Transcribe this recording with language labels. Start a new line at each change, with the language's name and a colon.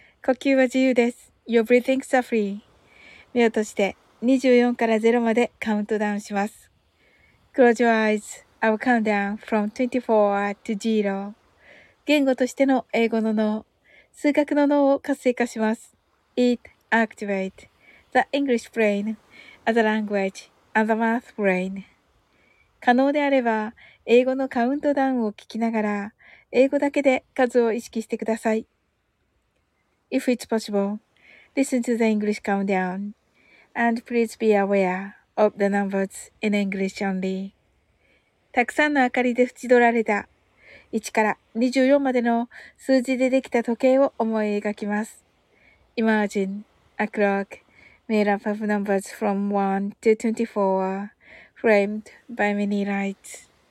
Japanese: 呼吸は自由です。
English: You're breathing so free。
Japanese: 目を閉じて24から0までカウントダウンします。
English: Close your eyes. I will count down from 24 to 0.
Japanese: 言語としての英語の脳、数学の脳を活性化します。
English: It activates the English brain as the language and the math brain.
Japanese: 可能であれば、英語のカウントダウンを聞きながら、英語だけで数を意識してください。
English: If it's possible, listen to the English countdown. And please be aware of the numbers in English only.
Japanese: たくさんの明かりで縁取られた1から24までの数字でできた時計を思い描きます。
English: Imagine a clock made up of numbers from 1 to 24 framed by many lights.